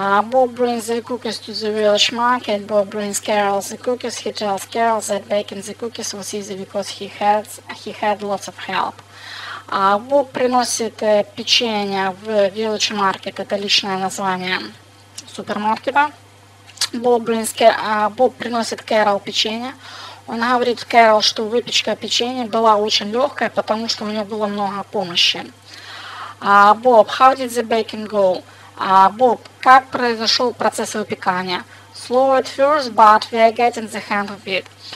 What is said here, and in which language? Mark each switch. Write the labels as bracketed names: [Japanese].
[English] Bob brings the cookies to the village market. Bob brings Carol the cookies. He tells Carol that baking the cookies was easy because he had lots of help. [Russian] Bob приносит печенье в [English] village market. [Russian] Это личное название супермаркета. Bob приносит Carol печенье. Он говорит Carol, что выпечка печенья была очень легкая, потому что у него было много помощи. [English] Bob, how did the baking go? [Russian] Bob, как произошел процесс выпекания? [English] Slow at first, but we are getting the hang of it.